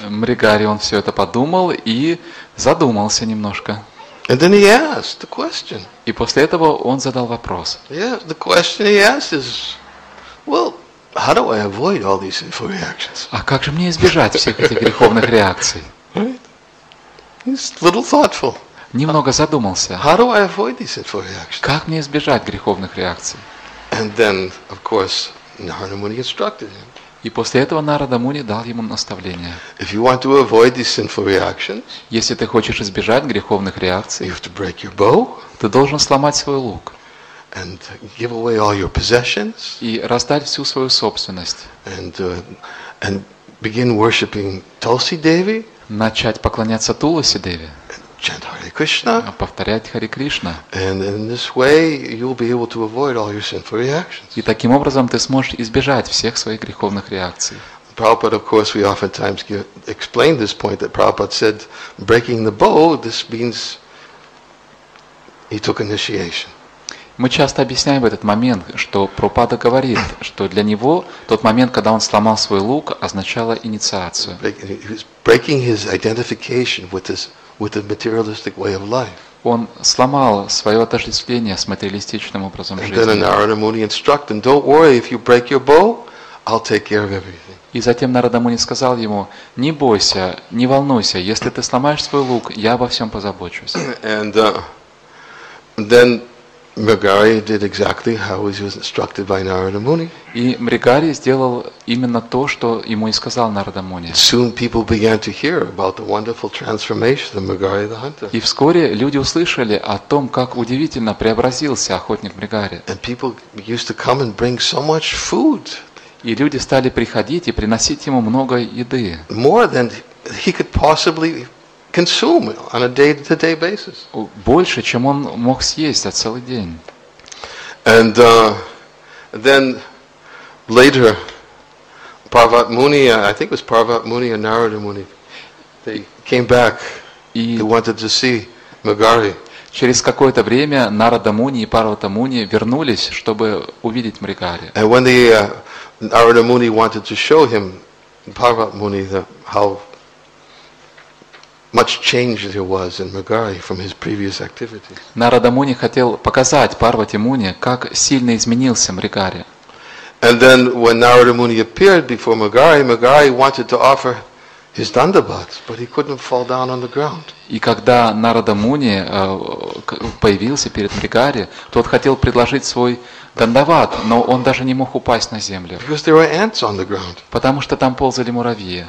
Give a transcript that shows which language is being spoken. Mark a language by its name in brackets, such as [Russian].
[Russian] Мригари, он все это подумал и задумался немножко. [English] And then he asked the question. [Russian] И после этого он задал вопрос. [English] Yeah, the question he asked is, well, how do I avoid all these sinful reactions? [Russian] А как же мне избежать всех этих греховных реакций? [English] Right. He's a little thoughtful. [Russian] Немного задумался. [English] How do I avoid these sinful reactions? [Russian] Как мне избежать греховных реакций? [English] And then, of course, Narada Muni instructed him. [Russian] И после этого Нарада Муни дал ему наставление. [English] If you want to avoid these sinful reactions, [Russian] если ты хочешь избежать греховных реакций, [English] you have to break your bow, [Russian] ты должен сломать свой лук [English] and give away all your possessions, [Russian] и раздать всю свою собственность [English] and begin worshiping Tulsi Devi, [Russian] начать поклоняться Туласи Деви, [English] chant Hare Krishna, [Russian] повторять Харе Кришна. [English] And in this way you'll be able to avoid all your sinful reactions. [Russian] И таким образом ты сможешь избежать всех своих греховных реакций. [English] Prabhupada, of course, we oftentimes explain this point that Prabhupada said breaking the bow, this means he took initiation. [Russian] Мы часто объясняем этот момент, что Прабхупада говорит, что для него тот момент, когда он сломал свой лук, означало инициацию. [English] Breaking his identification with this with the materialistic way of life. [Russian] Он сломал свое отождествление с материалистичным образом жизни. [English] And then Narada Muni instructed him, "Don't worry, if you break your bow, I'll take care of everything." [Russian] И затем Нарада Муни сказал ему: "Не бойся, не волнуйся, если ты сломаешь свой лук, я обо всем позабочусь." [English] And then Мригари did exactly how he was instructed by Narada Muni. [Russian] И Мригари сделал именно то, что ему и сказал Нарада Муни. [English] Soon people began to hear about the wonderful transformation of Мригари the hunter. [Russian] И вскоре люди услышали о том, как удивительно преобразился охотник Мригари. [English] And people used to come and bring so much food. [Russian] И люди стали приходить и приносить ему много еды. [English] More than he could possibly consume on a day-to-day basis. [Russian] Больше, чем он мог съесть за целый день. [English] And then later, Parvat Muni, I think it was Parvat Muni and Narada Muni, they came back. They wanted to see Мригари. [Russian] Через какое-то время Нарада Муни и Парвата Муни вернулись, чтобы увидеть Мригари. [English] And when the Narada Muni wanted to show him Parvat Muni how much change there was in Мригари from his previous activities. [Russian] Нарада Муни хотел показать Парвати Муни, как сильно изменился Мригари. [English] And then when Narada Muni appeared before Мригари, Мригари wanted to offer his dandabhats, but he couldn't fall down on the ground. [Russian] И когда Нарада Муни появился перед Мригари, тот хотел предложить свой дандават, но он даже не мог упасть на землю. [English] Because there were ants on the ground. [Russian] Потому что там ползали муравьи.